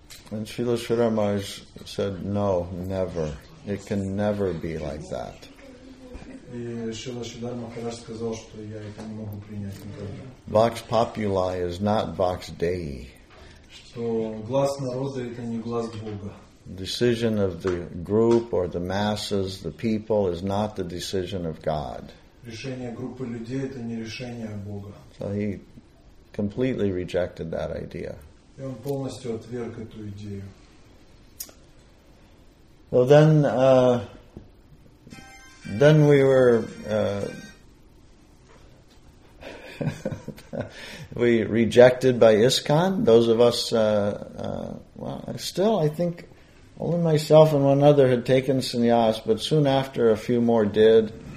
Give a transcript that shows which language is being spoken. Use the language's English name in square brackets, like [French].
[English] And Srila Sridhar Maharaj said, "No, never. It can never be like that." [Russian] И Шрила Сиддхарта Махарадж сказал, что я это не могу принять никогда. [Latin] Vox populi [English] is not [Latin] vox dei. [Russian] Что глаз народа это не глаз Бога. [English] Decision of the group or the masses, the people, is not the decision of God. [Russian] Решение группы людей это не решение Бога. [English] So he completely rejected that idea. [Russian] И он полностью отверг эту идею. [English] Well, then we were we rejected by ISKCON. Those of us, I think only myself and one other had taken sannyas, but soon after, a few more did.